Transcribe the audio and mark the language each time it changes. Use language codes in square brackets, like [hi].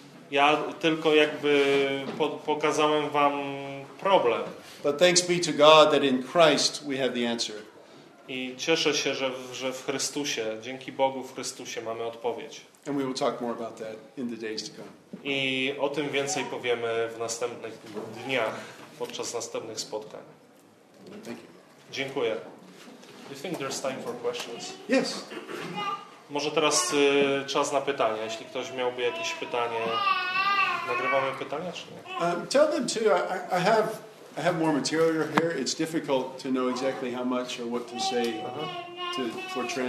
[pl] Ja tylko jakby pokazałem wam problem. [en] But thanks be to God that in Christ we have the answer. [pl] I cieszę się, że w Chrystusie, dzięki Bogu w Chrystusie mamy odpowiedź. [en] And we will talk more about that in the days to come. [pl] I o tym więcej powiemy w następnych dniach, podczas następnych spotkań. [en] Thank you. [pl] Dziękuję. [en] Do you think there's time for questions? Yes. [pl] Może teraz czas na pytania, jeśli ktoś miałby jakieś pytanie. Nagrywamy pytania, czy nie? [en] Tell them too, I have more material here. It's difficult to know exactly how much or what to say to for translation.